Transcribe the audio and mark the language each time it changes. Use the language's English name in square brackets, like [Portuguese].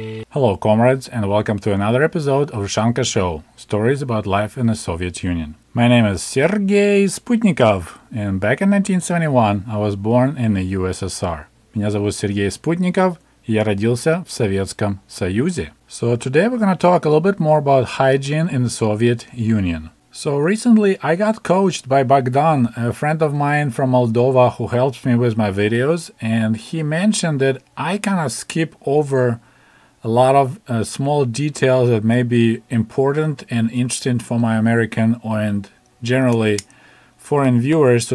[English] Hello, comrades, and welcome to another episode of Ushanka Show, stories about life in the Soviet Union. My name is Sergei Sputnikov, and back in 1971, I was born in the USSR. [Russian] Меня зовут Сергей Спутников, и я родился в Советском Союзе. [English] So today we're going to talk a little bit more about hygiene in the Soviet Union. So recently I got coached by Bogdan, a friend of mine from Moldova who helps me with my videos, and he mentioned that I kind of skip over a lot of small details that may be important and interesting for my American and generally foreign viewers.